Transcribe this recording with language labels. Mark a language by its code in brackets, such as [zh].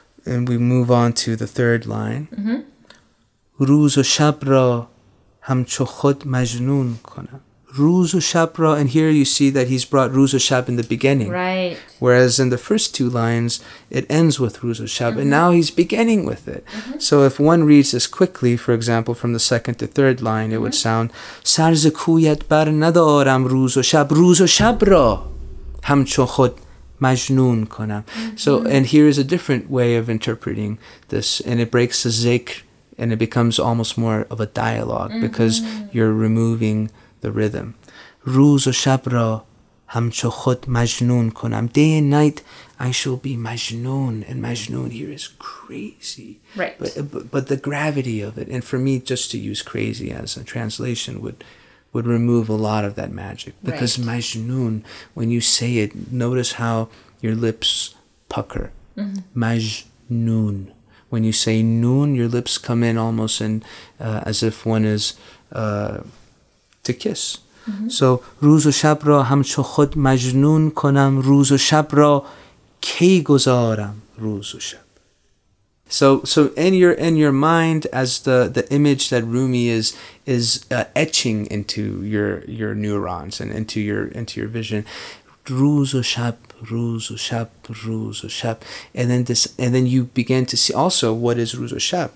[en] And we move on to the third line. [fa] Ruz o shab ra همچو خود مجنون کنم. روز و شب را, [en] and here you see that he's brought [fa] روز و شب [en] in the beginning. Right. Whereas in the first two lines, it ends with [fa] روز و شب, [en] mm-hmm. and now he's beginning with it. Mm-hmm. So if one reads this quickly, for example, from the second to third line, it mm-hmm. would sound, [fa] سرز کویت بر ندارم روز و شب, روز و شب را همچو خود مجنون کنم. [en] So, and here is a different way of interpreting this, and it breaks the zikr, and it becomes almost more of a dialogue mm-hmm. because you're removing the rhythm. [fa] Ruz o shab ra hamcho khod majnun konam. [en] Day and night, I shall be majnun. And majnun here is crazy. Right. But the gravity of it, and for me, just to use crazy as a translation would remove a lot of that magic. Because right. majnun, when you say it, notice how your lips pucker. Mm-hmm. Majnun. When you say noon, your lips come in almost in, as if one is to kiss. Mm-hmm. [fa] So, روز و شب را همچو خود مجنون کنم. روز و شب را کی گذارم. روز و شب. [en] So in your mind, as the image that Rumi is etching into your neurons and into your vision, [fa] روز و شب. Ruz o shab, ruz o shab. [en] And then you begin to see also what is ruz o shab.